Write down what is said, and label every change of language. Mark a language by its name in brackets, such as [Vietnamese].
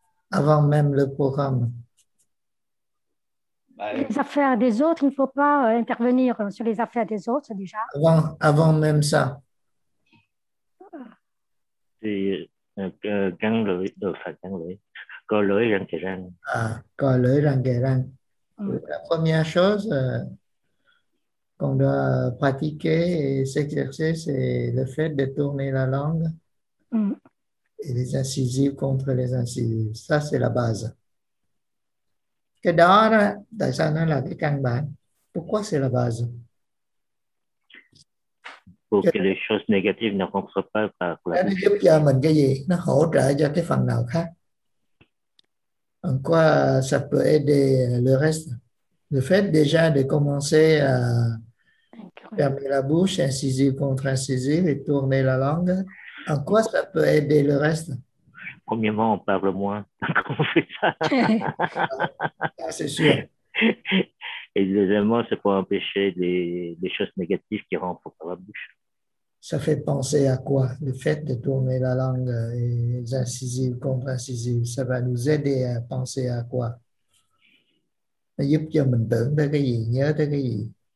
[French] Avant même le programme. Ben, les affaires des autres, il ne faut pas intervenir sur les affaires des autres déjà. Avant même ça. [Vietnamese] Thì gắn lưỡi được phải gắn lưỡi co lưỡi răng kề răng à co lưỡi răng kề răng [French] la première chose qu'on doit pratiquer et s'exercer c'est le fait de tourner la langue et les incisives contre les incisives, ça c'est la base. [Vietnamese] Cái đó đó, tại sao nó là cái căn bản? [French] Pourquoi c'est la base? Pour que les choses négatives ne rentrent pas par [Vietnamese] là. Nó giúp cho mình cái gì? Nó hỗ trợ cho cái phần nào khác? [French] En quoi ça peut aider le reste? Le fait déjà de commencer à fermer la bouche, incisive contre incisive, et tourner la langue, en quoi ça peut aider le reste? Premièrement, on parle moins quand on fait ça. Ah, c'est sûr. Et deuxièmement, c'est pour empêcher les choses négatives qui rentrent par la bouche. Ça fait penser à quoi? Le fait de tourner la langue et les incisives contre incisives, ça va nous aider à penser à quoi? [Vietnamese] Ça giúp cho mình tưởng tới cái gì, nhớ tới cái gì?